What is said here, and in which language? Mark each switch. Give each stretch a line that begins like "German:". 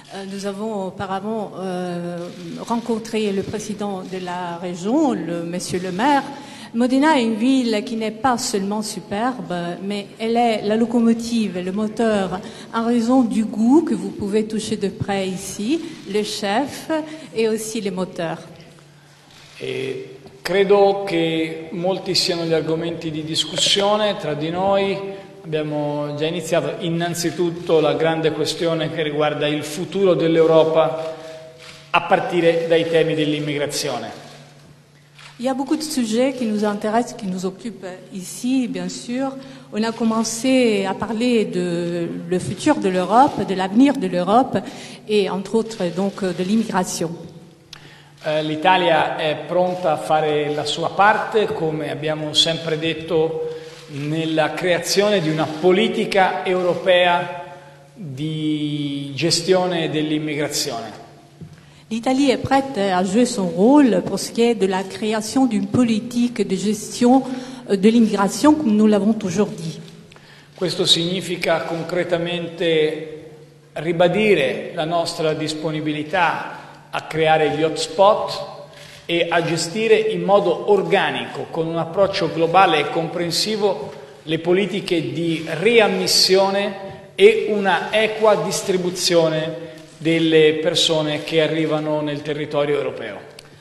French: Nous avons auparavant rencontré le président de la région, Monsieur le maire. Modena est une ville qui n'est pas seulement superbe, mais elle est la locomotive, le moteur, en raison du goût que vous pouvez toucher de près ici, le chef et aussi les moteurs.
Italian: E credo che molti siano gli argomenti di discussione tra di noi. Abbiamo già iniziato innanzitutto la grande questione che riguarda il futuro dell'Europa a partire dai temi dell'immigrazione.
French: Il y a beaucoup de sujets qui nous intéressent, qui nous occupent ici, bien sûr. On a commencé à parler de le futur de l'Europe, de l'avenir de l'Europe et entre autres donc de l'immigration.
Italian: L'Italia è pronta a fare la sua parte, come abbiamo sempre detto, nella creazione di una politica europea di gestione dell'immigrazione. L'Italia è pronta a
French: jouer son rôle pour ce qui est de la création d'une politique de gestion de l'immigration, comme nous l'avons toujours dit.
Italian: Questo significa concretamente ribadire la nostra disponibilità a creare gli hotspot e a gestire in modo organico, con un approccio globale e comprensivo, le politiche di riammissione e una equa distribuzione delle persone che arrivano nel territorio europeo.